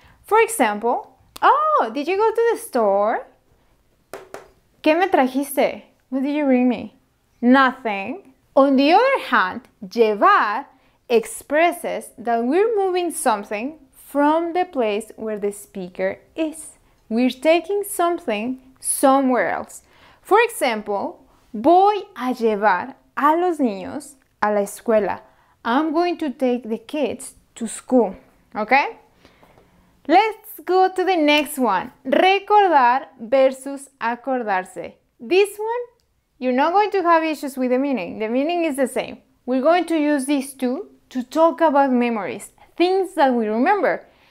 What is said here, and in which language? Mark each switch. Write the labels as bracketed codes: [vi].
[en] For example, oh, did you go to the store? [es] ¿Qué me trajiste? [en] What did you bring me? Nothing. On the other hand, llevar expresses that we're moving something from the place where the speaker is. We're taking something somewhere else. For example, [es] voy a llevar a los niños a la escuela. [en] I'm going to take the kids to school, okay? Let's go to the next one. Recordar versus acordarse. This one, you're not going to have issues with the meaning. The meaning is the same. We're going to use these two to talk about memories, things that we remember.